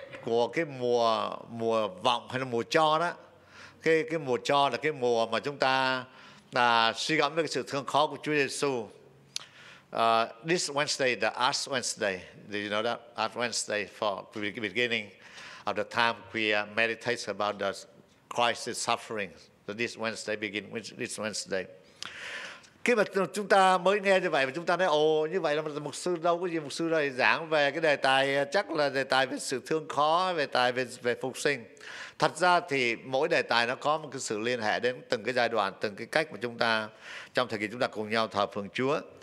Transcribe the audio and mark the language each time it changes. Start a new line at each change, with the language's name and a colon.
Vietnamese: của cái mùa mùa vọng hay là mùa cho đó. Cái mùa cho là cái mùa mà chúng ta là suy gẫm về sự thương khó của Chúa Giêsu.
English: This Wednesday, the Ash Wednesday. Did you know that? Ash Wednesday for the beginning of the time we meditate about the Christ's suffering. So this Wednesday begin with this Wednesday.
Vietnamese: Khi mà chúng ta mới nghe như vậy và chúng ta nói, ồ, như vậy là mục sư đâu có gì, mục sư đây giảng về cái đề tài, chắc là đề tài về sự thương khó, đề tài về, về phục sinh. Thật ra thì mỗi đề tài nó có một cái sự liên hệ đến từng cái giai đoạn, từng cái cách mà chúng ta, trong thời kỳ chúng ta cùng nhau thờ phượng Chúa.